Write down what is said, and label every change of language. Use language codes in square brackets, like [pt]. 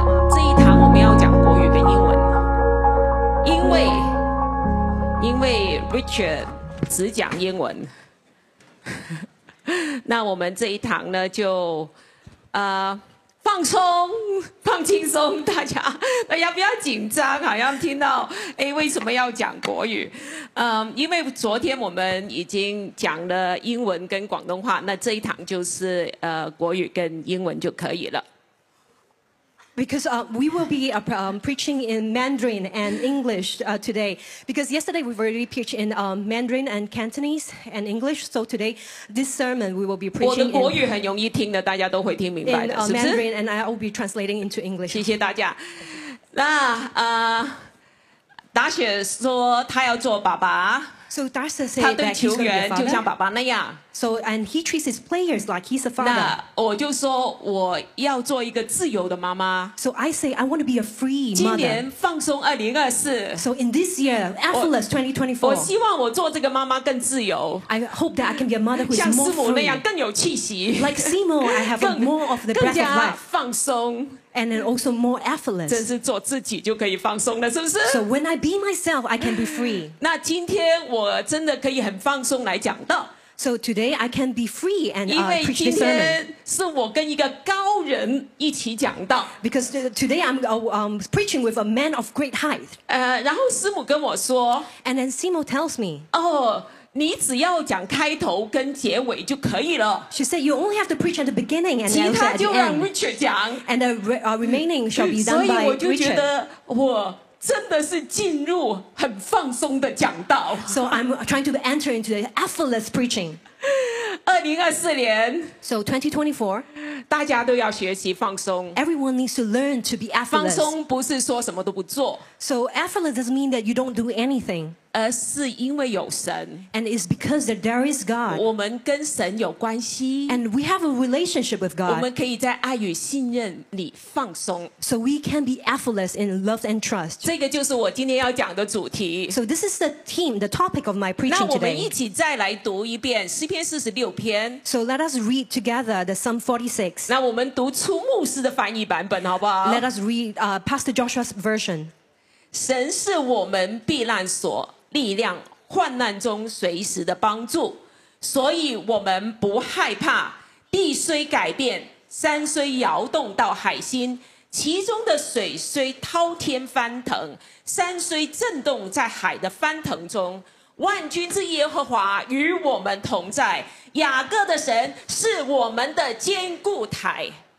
[zh] 这一堂我们要讲国语跟英文，因为 Richard 只讲英文，那我们这一堂呢就放松，放轻松，大家不要紧张，好像听到哎，为什么要讲国语？因为昨天我们已经讲了英文跟广东话，那这一堂就是国语跟英文就可以了。 [en] Because we will be preaching in Mandarin and English today. Because yesterday we've already preached in Mandarin and Cantonese and English, so today this sermon we will be preaching. [zh] 我的国语很容易听的，大家都会听明白的，是不是 [en] ？Mandarin and I will be translating into English. [zh] 谢谢大家。那Darcy 说他要做爸爸。 [en] So Darcy said that he's going to be a father. [zh] 他对球员就像爸爸那样。 [en] So and he treats his players like he's a father. [zh] 那我就说我要做一个自由的妈妈。 [en] So I say I want to be a free mother. [zh] 今年放松2024。 [en] So in this year, effortless 2024. [zh] 我希望我做这个妈妈更自由。 [en] I hope that I can be a mother who is more free. [zh] 像师母那样更有气息。 [en] Like Simo, I have more of the breath of life. [zh] 更加放松。 [en] And then also more effortless. [zh] 真是做自己就可以放松了，是不是 [en] ？So when I be myself, I can be free. [zh] 那今天我真的可以很放松来讲道。 [en] So today I can be free and preach this sermon. [zh] 因为今天是我跟一个高人一起讲道。 [en] Because today I'm preaching with a man of great height. [zh] 然后师母跟我说。 [en] And then Simo tells me. [zh] 你只要讲开头跟结尾就可以了。 [en] She said you only have to preach at the beginning and then at the end. [zh] 其他就让 Richard 讲。 [en] And the remaining shall be done by Richard. [zh] 所以我就觉得我真的是进入很放松的讲道。 [en] So I'm trying to enter into the effortless preaching. [zh] 2024年。 [en] So 2024. [zh] 大家都要学习放松。 [en] Everyone needs to learn to be effortless. [zh] 放松不是说什么都不做。 [en] So effortless doesn't mean that you don't do anything. [zh] 而是因为有神 [en] and it's because that there is God. [zh] 我们跟神有关系 [en] and we have a relationship with God. [zh] 我们可以在爱与信任里放松 [en] so we can be effortless in love and trust. [zh] 这个就是我今天要讲的主题 [en] so this is the theme, the topic of my preaching today. [zh] 那我们一起再来读一遍诗篇四十六篇 [en] so let us read together the Psalm 46. [zh] 那我们读初牧师的翻译版本好不好 [en] let us read Pastor Joshua's version. [zh] 神是我们避难所力量患难中随时的帮助所以我们不害怕地虽改变山虽摇动到海心其中的水虽滔天翻腾山虽震动在海的翻腾中万军之耶和华与我们同在雅各的神是我们的坚固台